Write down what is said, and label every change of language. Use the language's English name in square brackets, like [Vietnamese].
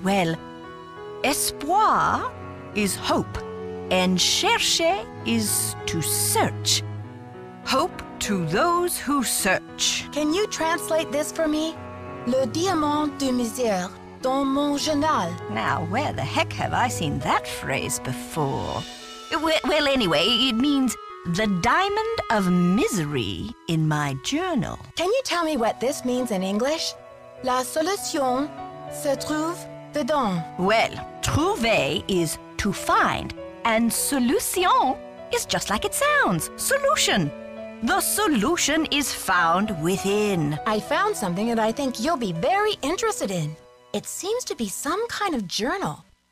[English] Well, espoir is hope, and chercher is to search. Hope to those who search. Can you translate this for me? [French] Le diamant de misère dans mon journal. [English] Now, where the heck have I seen that phrase before? Well, anyway, it means the diamond of misery in my journal. Can you tell me what this means in English? [French] La solution se trouve dedans. [English] Well, trouver is to find, and solution is just like it sounds. Solution. The solution is found within. I found something that I think you'll be very interested in. It seems to be some kind of journal.